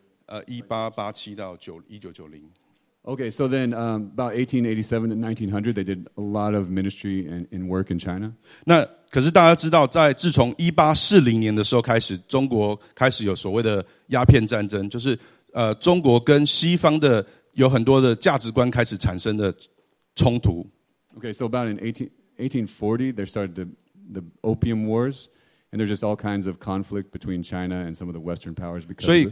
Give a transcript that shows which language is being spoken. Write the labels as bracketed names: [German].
[Chinese] 所以他们在1887到1900左右做了很多的事工，那主要是在一个省份叫做山西。1887到1990。Okay, [English] so then about 1887 to 1900, they did a lot of ministry and work in China. [Chinese] 那可是大家知道，在自从1840年的时候开始，中国开始有所谓的鸦片战争，就是中国跟西方的 有很多的价值观开始产生的冲突。Okay, [English] so about in 1840, there started the opium wars, and there's just all kinds of conflict between China and some of the Western powers because.